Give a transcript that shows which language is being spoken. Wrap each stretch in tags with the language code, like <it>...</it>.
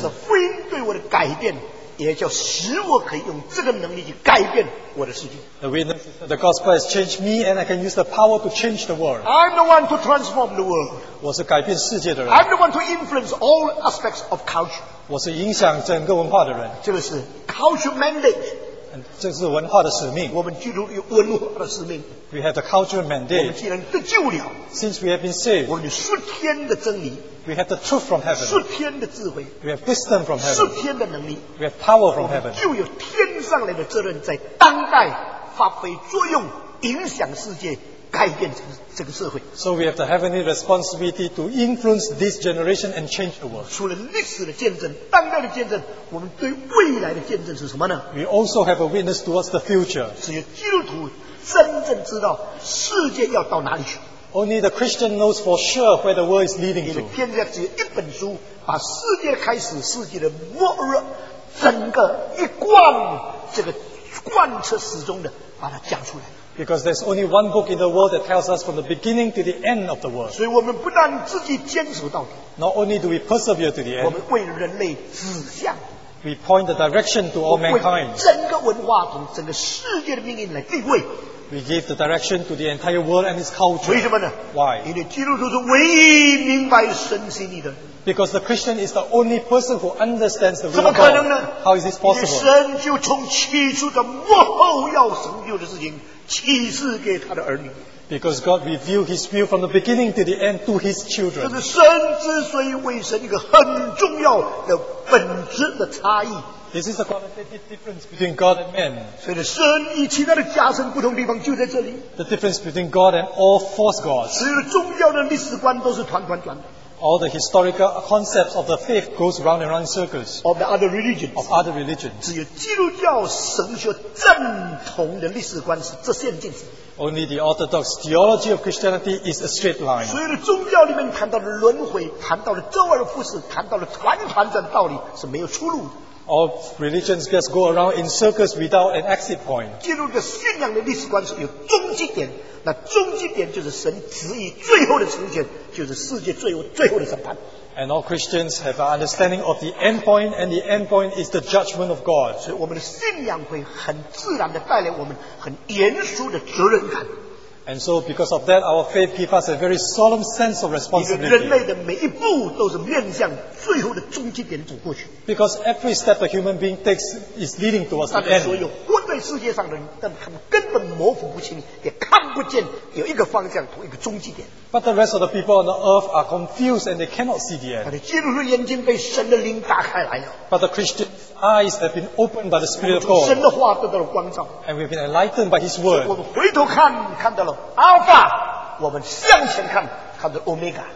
<zh>是福音对我的改变，也叫使我可以用这个能力去改变我的世界。</zh> <en>The witness is that the gospel has changed me, and I can use the power to change the world. I'm the one to transform the world.</en> <zh>我是改变世界的人。</zh> <en>I'm the one to influence all aspects of culture.</en> <zh>我是影响整个文化的人。这个是</zh> <en>culture mandate.</en> <zh>这是文化的使命。我们基督有文化的使命。</zh> <en>We have the cultural mandate.</en> <zh>我们既然得救了</zh> <en>，Since we have been saved，</en> <zh>我们有顺天的真理。</zh> <en>We have the truth from heaven.</en> <zh>顺天的智慧。</zh> <en>We have wisdom from heaven.</en> <zh>顺天的能力。</zh> <en>We have power from heaven.</en> <zh>就有天上来的责任，在当代发挥作用，影响世界。改变这个社会。</zh> <en>So we have the heavenly responsibility to influence this generation and change the world.</en> <zh>除了历史的见证，当代的见证，我们对未来的见证是什么呢？</zh> <en>We also have a witness towards the future.</en> <zh>只有基督徒真正知道世界要到哪里去。</zh> <en>Only the Christian knows for sure where the world is leading to.</en> <zh>因为天下只有一本书，把世界的开始、世界的末日，整个一贯这个贯彻始终的把它讲出来。</zh> <en>Because there's only one book in the world that tells us from the beginning to the end of the world.</en> <zh>所以我们不但自己坚守到底。</zh> <en>Not only do we persevere to the end.</en> <zh>我们为人类指向。</zh> <en>We point the direction to all mankind.</en> <zh>为整个文化和整个世界的命运来定位。</zh> <en>We give the direction to the entire world and its culture.</en> <zh>为什么呢？</zh> <en>Why?</en> <zh>因为基督徒是唯一明白神心意的。</zh> <en>Because the Christian is the only person who understands the will of God. How is this possible?</en> <zh>神就从起初的幕后要成就的事情。启示给他的儿女。</zh> <en>Because God revealed His will from the beginning to the end to His children.</en> <zh>这是神之所以为神一个很重要的本质的差异。</zh> <en>This is the qualitative difference between God and man.</en> <zh>所以神与其他的假神不同地方就在这里。</zh> <en>The difference between God and all false gods.</en> <zh>所有重要的历史观都是团团转的。</zh> <en>All the historical concepts of the faith goes round and round in circles. Of the other religions. Of other religions.</en> <zh>只有基督教神学正统的历史观是直线进行。</zh> <en>Only the orthodox theology of Christianity is a straight line.</en> <zh>所有的宗教里面谈到的轮回，谈到的周而复始，谈到的团团转的道理是没有出路的。</zh> <en>All religions just go around in circles without an exit point.</en> <zh>基督教信仰的历史观是有终极点，那终极点就是神旨意最后的成全，就是世界最后最后的审判。</zh> <en>And all Christians have an understanding of the end point, and the end point is the judgment of God.</en> <zh>所以我们的信仰会很自然地带来我们很严肃的责任感。</zh> <en>And so because of that, our faith gives us a very solemn sense of responsibility.</en> <zh>人类的每一步都是面向最后的终极点走过去。</zh> <en>Because every step a human being takes is leading towards the end.</en> <zh>所有活在世界上的人，但他们根本模糊不清，也看不见有一个方向和一个终极点。</zh> <en>But the rest of the people on the earth are confused and they cannot see the end.</en> <zh>但是基督徒眼睛被神的灵打开来了。</zh> <en>But the Christian's eyes have been opened by the Spirit of God.</en> <zh>从神的话得到了光照。</zh> <en>And we've been enlightened by His word.</en> <zh>我们回头看，看到了 Alpha， 我们向前看，看到 Omega。</zh>